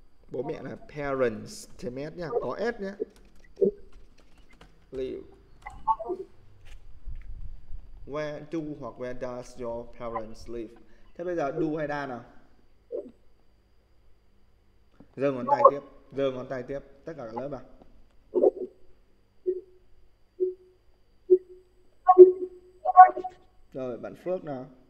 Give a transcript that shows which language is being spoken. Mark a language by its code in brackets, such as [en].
[vi] Bố mẹ là parents, thêm s nhá, có s nhá. [en] Live. Where do [vi] hoặc [en] where does your parents live? [vi] Thế bây giờ do hay da nào? Giơ ngón tay tiếp, giơ ngón tay tiếp tất cả các lớp vào. Rồi bạn Phước nào.